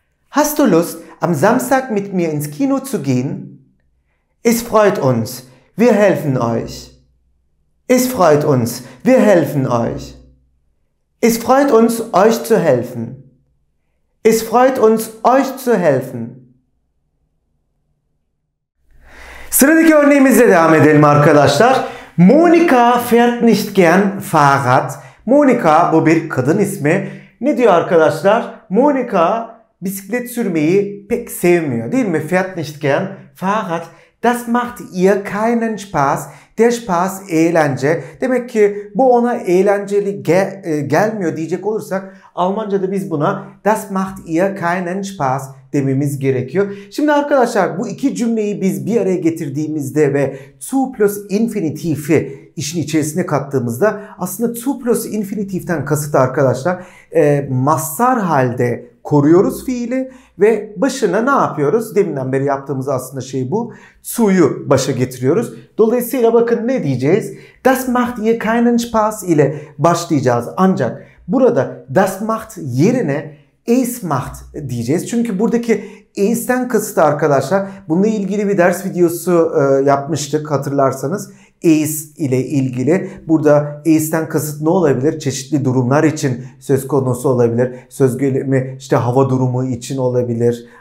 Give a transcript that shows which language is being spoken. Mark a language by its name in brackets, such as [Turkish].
[German] Hast du Lust, am Samstag mit mir ins Kino zu gehen? Es freut uns, wir helfen euch. Es freut uns, wir helfen euch. Es freut uns, euch zu helfen. Es freut uns, euch zu helfen. [Turkish] Sıradaki örneğimizle devam edelim arkadaşlar. [German] Monika fährt nicht gern Fahrrad. [Turkish] Monika bu bir kadın ismi. Ne diyor arkadaşlar? Monika bisiklet sürmeyi pek sevmiyor değil mi? [German] Fährt nicht gern Fahrrad. Das macht ihr keinen Spaß. Der Spaß [Turkish] eğlence. Demek ki bu ona eğlenceli gelmiyor diyecek olursak Almanca'da biz buna [German] das macht ihr keinen Spaß [Turkish] dememiz gerekiyor. Şimdi arkadaşlar bu iki cümleyi biz bir araya getirdiğimizde ve zu plus infinitif'i işin içerisine kattığımızda aslında zu plus infinitif'ten kasıt arkadaşlar mazhar halde koruyoruz fiili ve başına ne yapıyoruz? Deminden beri yaptığımız aslında şey bu. Suyu başa getiriyoruz. Dolayısıyla bakın ne diyeceğiz? [German] Das macht ihr keinen Spaß [Turkish] ile başlayacağız. Ancak burada das macht yerine es macht diyeceğiz. Çünkü buradaki es'ten kasıt arkadaşlar. Bununla ilgili bir ders videosu yapmıştık hatırlarsanız. ACE ile ilgili. Burada ACE'den kasıt ne olabilir? Çeşitli durumlar için söz konusu olabilir. Söz gelimi işte hava durumu için olabilir.